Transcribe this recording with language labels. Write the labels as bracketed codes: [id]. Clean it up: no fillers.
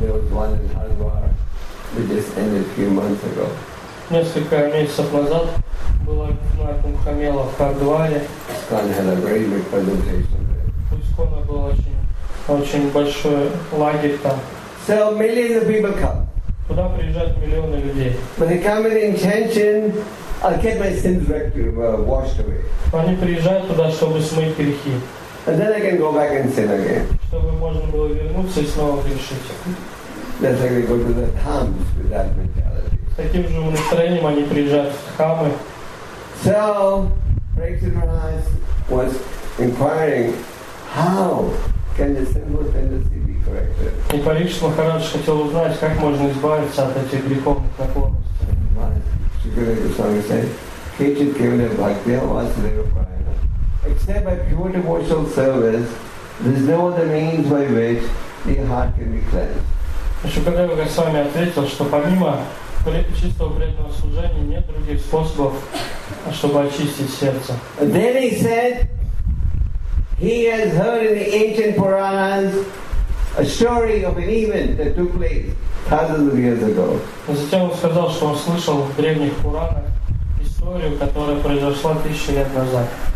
[en] There was one in Hardwar. We just ended a few months ago. [ru] Несколько месяцев назад было на Кумхамела в Хардваре. [en] Искон had a very big presentation there. [ru] У Искона был очень большой лагерь там. [en] So millions of people come. [ru] Туда приезжают миллионы людей. [en] But they come with the intention, I'll get my sins washed away. [ru] Они приезжают туда, чтобы смыть грехи. [en] And then I can go back and sin again. [ru] Чтобы можно было вернуться и снова грешить. [en] That's like they go to the thams with that mentality. [ru] С таким же настроением они приезжают в хамы. [en] So, Parikshit Maharaj was inquiring, how can the sinful tendency be corrected? [ru] И Парикшит Махарадж хотел узнать, как можно избавиться от этих греховных наклонностей. [en] Except by pure devotional service, there is no other means by which the heart can be cleansed. [ru] Шукадева Госвами ответил, что помимо чистого преданного служения нет других способов, чтобы очистить сердце. [en] Then he said, he has heard in the ancient Puranas a story of an event that took place thousands of years ago. [ru] Затем он сказал, что он слышал в древних Пуранах историю, которая произошла тысячи лет назад.